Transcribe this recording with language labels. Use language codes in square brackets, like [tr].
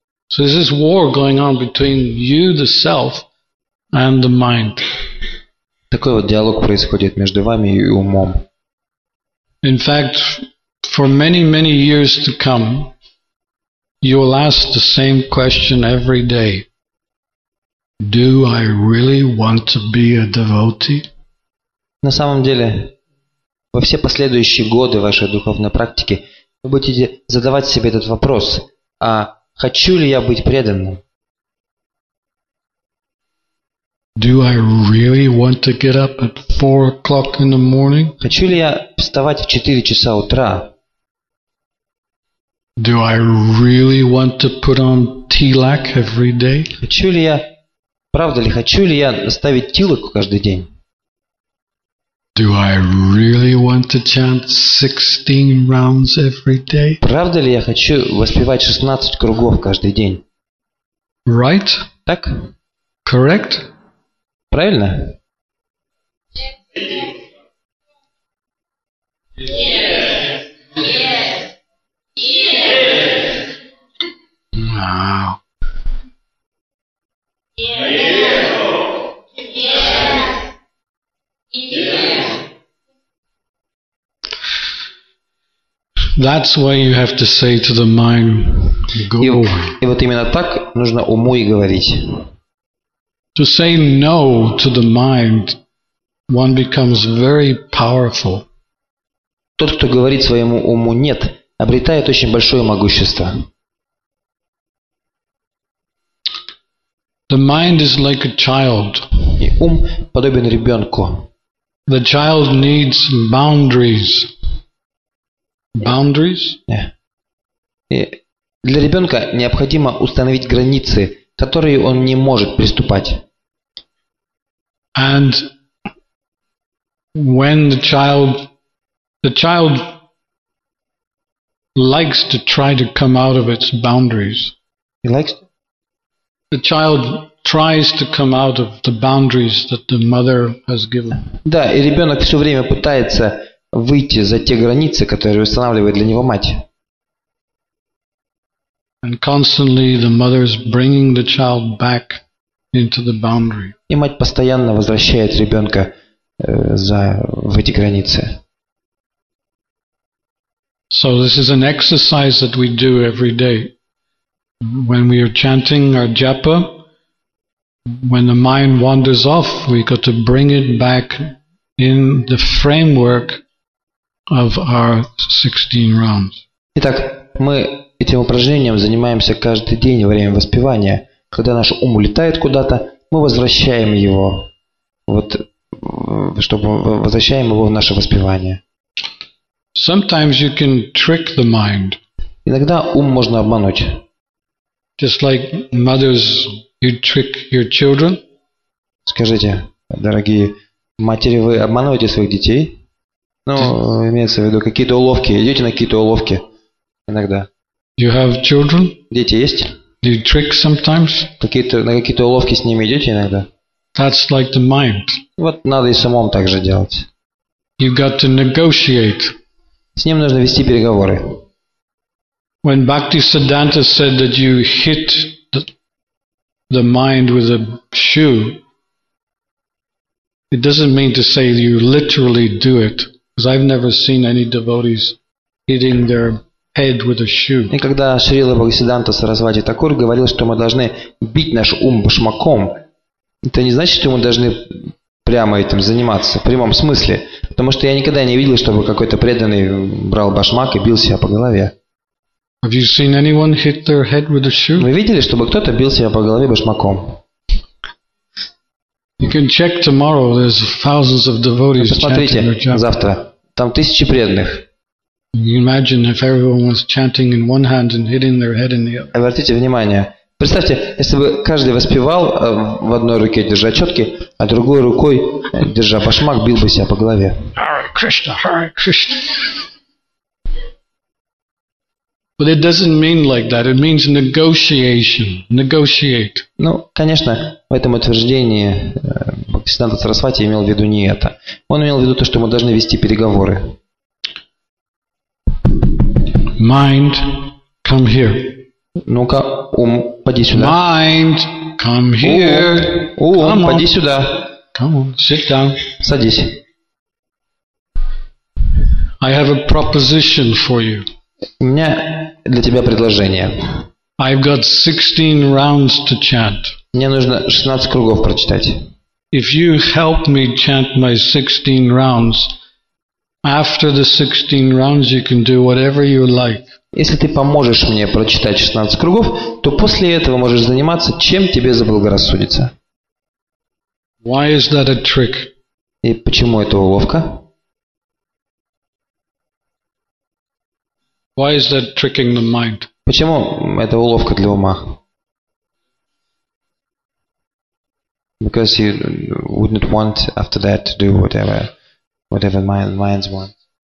[en] So there's this war going on between you, the self, and the mind. [ru] Такой вот диалог происходит между вами и умом. [en] In fact, for many, many years to come, you will ask the same question every day. Do I really want to be a devotee? [ru] На самом деле, во все последующие годы вашей духовной практики вы будете задавать себе этот вопрос: а хочу ли я быть преданным? [en] Do I really want to get up at 4 o'clock in the morning? [ru] Хочу ли я вставать в 4 часа утра? [en] Do I really want to put on tilak every day? [ru] Хочу ли я, правда ли, хочу ли я ставить тилак каждый день? [en] Do I really want to chant 16 rounds every day? [ru] Правда ли я хочу воспевать 16 кругов каждый день? [en] Right? [ru] Так? [en] Correct? [ru] Правильно? [en] That's why you have to say to the mind, go. [ru] И вот именно так нужно уму и говорить. [en] To say no to the mind, one becomes very powerful. [ru] Тот, кто говорит своему уму нет, обретает очень большое могущество. [en] The mind is like a child. [ru] И ум подобен ребенку. [en] The child needs boundaries. Boundaries? Yeah. [ru] И для ребенка необходимо установить границы, которые он не может приступать. [en] And when the child likes to try to come out of its boundaries. He likes. The child tries to come out of the boundaries that the mother has given. [ru] Да, и ребенок все время пытается выйти за те границы, которые устанавливает для него мать. [en] And constantly the mother is bringing the child back into the boundary. [ru] И мать постоянно возвращает ребенка в эти границы. [en] So this is an exercise that we do every day. When we are chanting our japa, when the mind wanders off, we got to bring it back in the framework of our 16 rounds. [ru] Итак, мы этим упражнением занимаемся каждый день во время воспевания. Когда наш ум улетает куда-то, мы возвращаем его, вот, чтобы возвращаем его в наше воспевание. [en] Sometimes you can trick the mind. [ru] Иногда ум можно обмануть. [en] Just like mothers, you trick your children. [ru] Скажите, дорогие матери, вы обманываете своих детей? Ну, имеется в виду какие-то уловки. Идете на какие-то уловки иногда. [en] You have children? [ru] Дети есть? [en] Do you trick sometimes? [ru] Какие-то, на какие-то уловки с ними идете иногда? [en] That's like the mind. [ru] Вот надо и самому так же делать. [en] You've got to negotiate. [ru] С ним нужно вести переговоры. [en] When Bhaktisiddhanta said that you hit the mind with a shoe, it doesn't mean to say you literally do it, because I've never seen any devotees hitting their head with a shoe. [ru] И когда Шрила Бхактисиддханта Сарасвати Такур говорил, что мы должны бить наш ум башмаком, это не значит, что мы должны прямо этим заниматься, в прямом смысле. Потому что я никогда не видел, чтобы какой-то преданный брал башмак и бил себя по голове. [en] Have you seen anyone hit their head with a shoe? [ru] Вы видели, чтобы кто-то бил себя по голове башмаком? [en] You can check tomorrow. There's thousands of devotees chanting their japa. [ru] Посмотрите завтра. Там тысячи преданных. [en] You can imagine if everyone was chanting in one hand and hitting their head in the other. [ru] Обратите внимание. Представьте, если бы каждый воспевал в одной руке держа четки, а другой рукой держа башмак, бил бы себя по голове. [sa] Hare Krishna, Hare Krishna. [en] But it doesn't mean like that. It means negotiation. Negotiate. [ru] Ну, конечно, в этом утверждении Бхактисиддханта Сарасвати имел в виду не это. Он имел в виду то, что мы должны вести переговоры. [en] Mind, come here. [ru] Ну-ка, ум, поди сюда. [en] Mind, come here. [ru] Ум, поди сюда. [en] Come on, sit down. [ru] Садись. [en] I have a proposition for you. [ru] У меня для тебя предложение. [en] I've got 16 rounds to chant. [ru] Мне нужно 16 кругов прочитать. [en] If you help me chant my 16 rounds, after the 16 rounds you can do whatever you like. [ru] Если ты поможешь мне прочитать 16 кругов, то после этого можешь заниматься чем тебе заблагорассудится. [en] Why is that a trick? [ru] И почему это уловка? [en] Why is that tricking the mind? [ru] Почему это уловка для ума? [en] Because you wouldn't want after that to do whatever minds want.